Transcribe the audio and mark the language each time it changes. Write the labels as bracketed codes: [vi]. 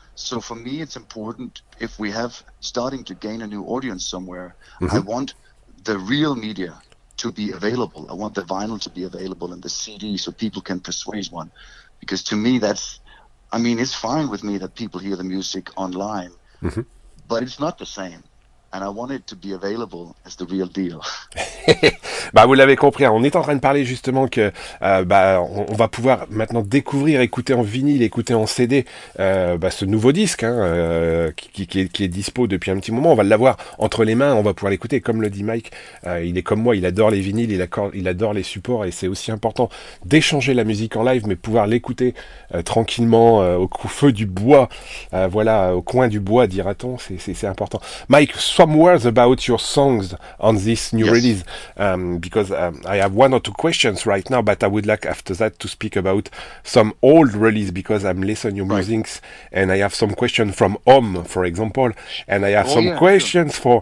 [en] So for me, it's important, if we have starting to gain a new audience somewhere, I want the real media to be available. I want the vinyl to be available and the CD, so people can persuade one. Because to me, it's fine with me that people hear the music online, but it's not the same. And I want it to be available as the real deal. [fr] Bah, vous l'avez compris, on est en train de parler justement que on va pouvoir maintenant découvrir, écouter en vinyle, écouter en CD ce nouveau disque hein, qui est dispo depuis un petit moment. On va l'avoir entre les mains, on va pouvoir l'écouter. Comme le dit Mike, il est comme moi, il adore les vinyles, il adore les supports et c'est aussi important d'échanger la musique en live, mais pouvoir l'écouter tranquillement au feu du bois, voilà, au coin du bois, dira-t-on, c'est important. [en] Mike, some words about your songs on this new yes. release. Because I have one or two questions right now, but I would like after that to speak about some old release because I'm listening your right. musics and I have some questions from home, for example, and I have some questions sure.